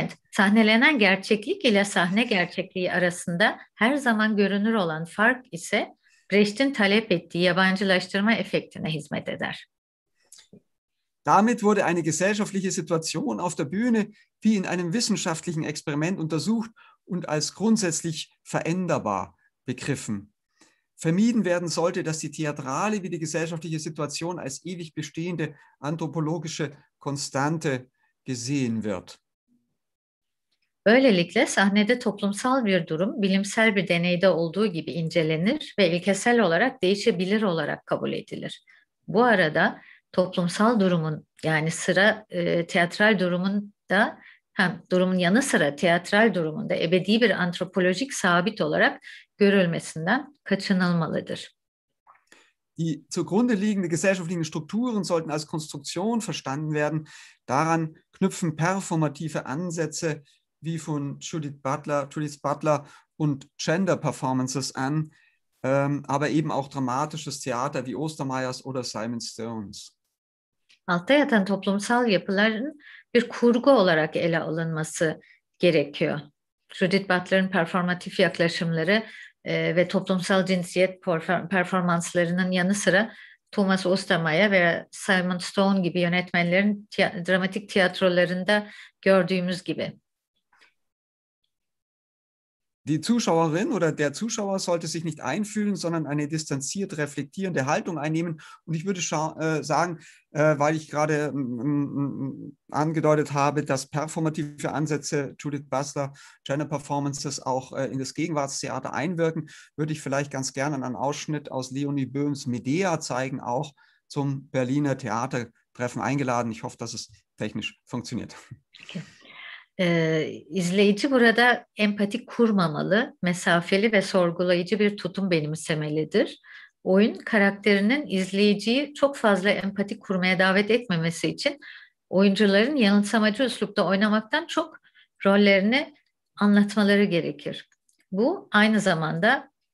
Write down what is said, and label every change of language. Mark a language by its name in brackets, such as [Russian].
[Turkish] Sahnelenen gerçeklik ile sahne gerçekliği arasında her zaman görünür olan fark ise Brecht'in talep ettiği yabancılaştırma efektine hizmet eder. [German] Damit wurde eine gesellschaftliche Situation auf der Bühne wie in einem wissenschaftlichen Experiment untersucht und als grundsätzlich veränderbar begriffen. Vermieden werden sollte, dass die Theatrale wie die gesellschaftliche Situation als ewig bestehende anthropologische Konstante gesehen wird. [Turkish] Böylelikle sahnede toplumsal bir durum bilimsel bir deneyde olduğu gibi incelenir ve ilkesel olarak değişebilir olarak kabul edilir. Bu arada toplumsal durumun yani sıra teatral durumunda hem durumun yanı sıra teatral durumunda ebedi bir antropolojik sabit olarak görülmesinden kaçınılmalıdır. [German] Die zugrunde liegende gesellschaftlichen Strukturen sollten als Konstruktion verstanden werden. Daran knüpfen performative Ansätze wie von Judith Butler und Gender Performances an, aber eben auch dramatisches Theater wie Ostermeyers oder Simon Stones. [Turkish] Altta yatan toplumsal yapıların bir kurgu olarak ele alınması gerekiyor. Judith Butler'ın performatif yaklaşımları ve toplumsal cinsiyet performanslarının yanı sıra Thomas Ostermeyer veya Simon Stone gibi yönetmenlerin dramatik tiyatrolarında gördüğümüz gibi. [German] Die Zuschauerin oder der Zuschauer sollte sich nicht einfühlen, sondern eine distanziert reflektierende Haltung einnehmen. Und ich würde sagen, weil ich gerade angedeutet habe, dass performative Ansätze, Judith Butler, Gender Performances auch in das Gegenwartstheater einwirken, würde ich vielleicht ganz gerne einen Ausschnitt aus Leonie Böhms Medea zeigen, auch zum Berliner Theatertreffen eingeladen. Ich hoffe, dass es technisch funktioniert. Okay. [Turkish] İzleyici burada empatik kurmamalı, mesafeli ve sorgulayıcı bir tutum benimsemelidir. Oyun karakterinin izleyiciyi çok fazla empatik kurmaya davet etmemesi için oyuncuların yanılsamacı üslupta oynamaktan çok rollerini anlatmaları gerekir. Bu aynı zamanda